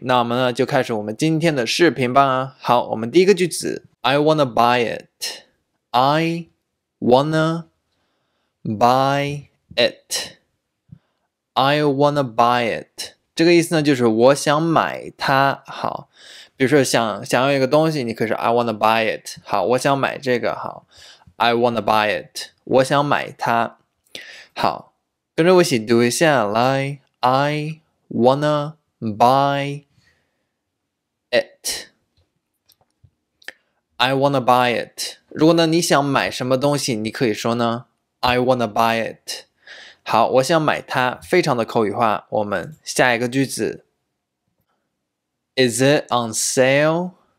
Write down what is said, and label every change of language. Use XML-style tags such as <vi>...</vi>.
<zh>那我们呢就开始我们今天的视频吧。好，我们第一个句子：</zh> <en>I wanna buy it. I wanna buy it. I wanna buy it，</en> <zh>这个意思呢，就是我想买它。好，比如说想要一个东西，你可以说</zh> <en>I wanna buy it。</en> <zh>好，我想买这个。好，</zh> <en>I wanna buy it，</en> <zh>我想买它。好，跟着我一起读一下，来，</zh> <en>I wanna buy it，I wanna buy it。</en> <zh>如果呢你想买什么东西，你可以说呢，</zh> <en>I wanna buy it。</en> <zh>好，我想买它，非常的口语化。我们下一个句子，</zh> <en>Is it on sale?</en>